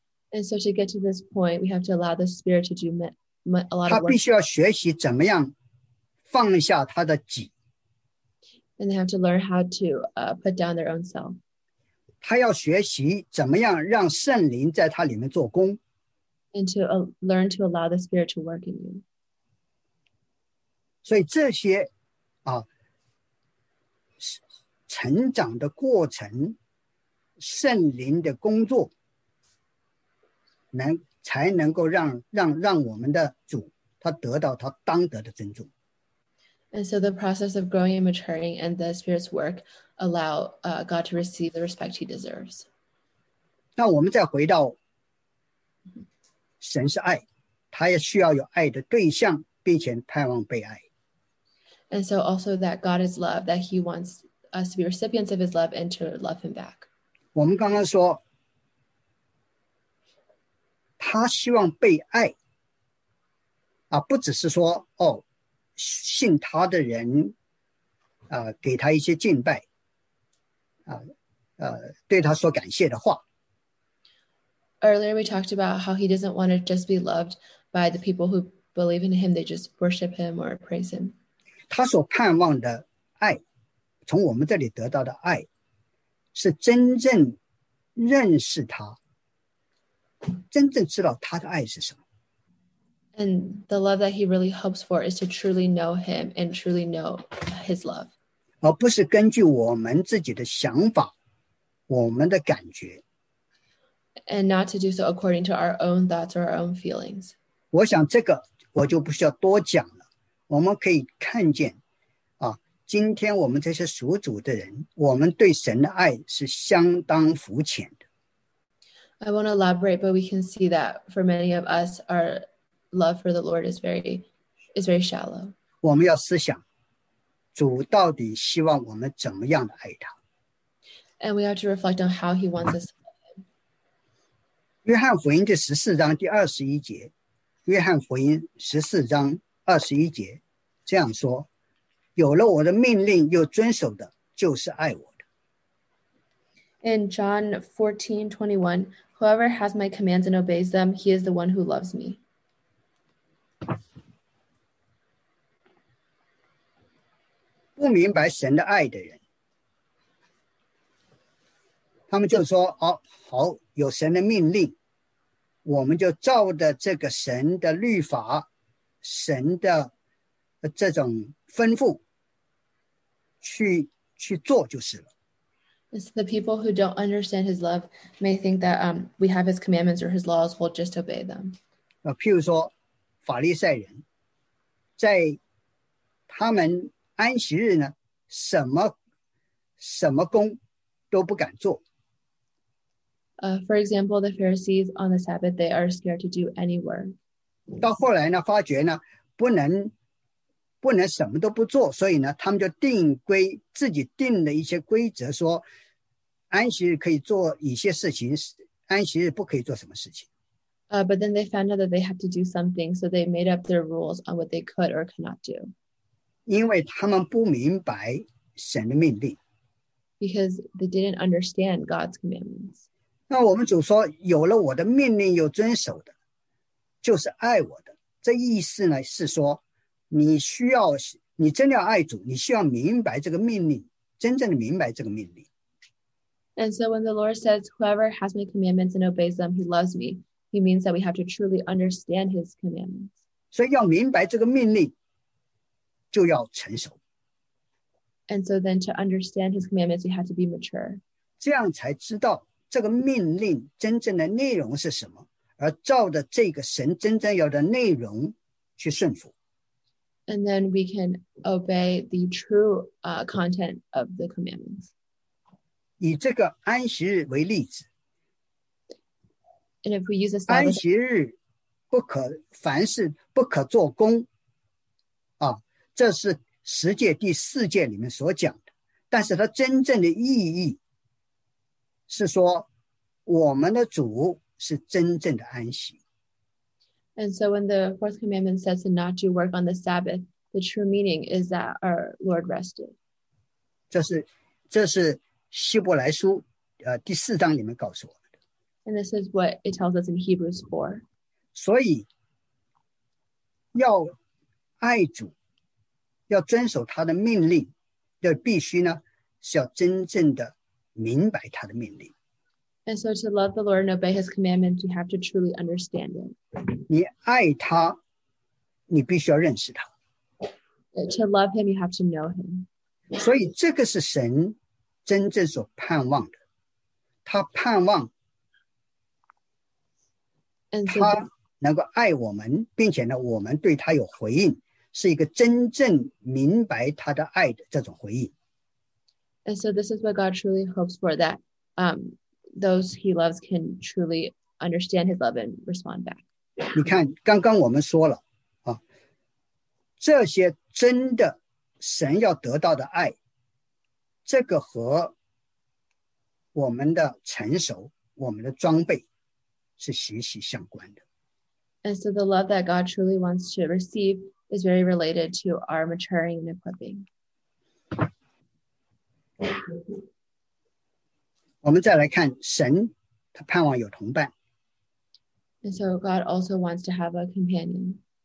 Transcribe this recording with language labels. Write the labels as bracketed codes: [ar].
[en] And so to get to this point, we have to allow the Spirit to do a lot of work. [zh] 他必须要学习怎么样放下他的己。 [en] And they have to learn how to put down their own self. [zh] 他要学习怎么样让圣灵在他里面做工。 [en] And to learn to allow the Spirit to work in you. [zh] 所以这些啊成长的过程圣灵的工作能才能够让我们的主他得到他当得的尊重。 [en] And so the process of growing and maturing and the Spirit's work allow God to receive the respect he deserves. [zh] 那我们再回到神是爱，他也需要有爱的对象，并且盼望被爱。 [en] And so also that God is love, that he wants us to be recipients of his love and to love him back. [zh] 我们刚刚说，他希望被爱，啊，不只是说，哦，信他的人，啊，给他一些敬拜，啊，对他说感谢的话。 [en] Earlier, we talked about how he doesn't want to just be loved by the people who believe in him. They just worship him or praise him. [zh] 他所盼望的爱，从我们这里得到的爱，是真正认识他，真正知道他的爱是什么。 [en] And the love that he really hopes for is to truly know him and truly know his love. [zh] 而不是根据我们自己的想法，我们的感觉。 [en] And not to do so according to our own thoughts or our own feelings. [zh] 我想这个我就不需要多讲了。我们可以看见，啊，今天我们这些属主的人，我们对神的爱是相当肤浅的。 [en] I won't elaborate, but we can see that for many of us, our love for the Lord is very shallow. [zh] 我们要思想，主到底希望我们怎么样的爱他。 [en] And we have to reflect on how he wants us. [zh] 约翰福音第十四章第二十一节，约翰福音十四章二十一节这样说：“有了我的命令又遵守的，就是爱我的。” [en] In John 14:21, whoever has my commands and obeys them, he is the one who loves me. [zh] 不明白神的爱的人，他们就说：“哦，好，有神的命令。” 我们就照着这个神的律法，神的这种吩咐去做就是了。 [en] It's the people who don't understand his love may think that we have his commandments or his laws, we'll just obey them. [zh] 譬如说法利赛人在他们安息日呢，什么工都不敢做。 [en] For example, the Pharisees on the Sabbath, they are scared to do any work. [zh] 到后来呢，发觉呢，不能什么都不做，所以呢，他们就自己定了一些规则，说安息日可以做一些事情，安息日不可以做什么事情。 [en] But then they found out that they have to do something, so they made up their rules on what they could or cannot do. [zh] 因为他们不明白神的命令。 [en] Because they didn't understand God's commandments. [zh] 那我们主说，有了我的命令又遵守的，就是爱我的。这意思呢，是说，你真的要爱主，你需要明白这个命令，真正的明白这个命令。 [en] And so when the Lord says, whoever has my commandments and obeys them, he loves me, he means that we have to truly understand his commandments. [zh] 所以要明白这个命令，就要成熟。 [en] And so then to understand his commandments, you have to be mature. [zh] 这样才知道这个命令真正的内容是什么，而照着这个神真正要的内容去顺服。 [en] And then we can obey the true content of the commandments. [zh] 以这个安息日为例子。 [en] And if we use a [zh] Sabbath, 安息日不可凡事不可做工，啊，这是十诫第四诫里面所讲的，但是它真正的意义是说我们的主是真正的安息。 [en] And so when the fourth commandment says to not do work on the Sabbath, the true meaning is that our Lord rested. [zh] 这是希伯来书第四章里面告诉我们的。 [en] And this is what it tells us in Hebrews 4. [zh] 所以要爱主，要遵守他的命令，就必须呢是要真正的明白他的命令。 [en] And so to love the Lord and obey his commandments, you have to truly understand him. [zh] 你爱他，你必须要认识他。 [en] To love him, you have to know him. [zh] 所以这个是神真正所盼望的。他盼望他能够爱我们，并且呢，我们对他有回应，是一个真正明白他的爱的这种回应。 [en] And so this is what God truly hopes for, that those he loves can truly understand his love and respond back. [zh] 你看，刚刚我们说了，这些真的神要得到的爱，这个和我们的成熟，我们的装备是息息相关的。 [en] And so the love that God truly wants to receive is very related to our maturing and equipping. [zh] 我们再来看神，他盼望有同伴。 [en] And so God also wants to have a companion.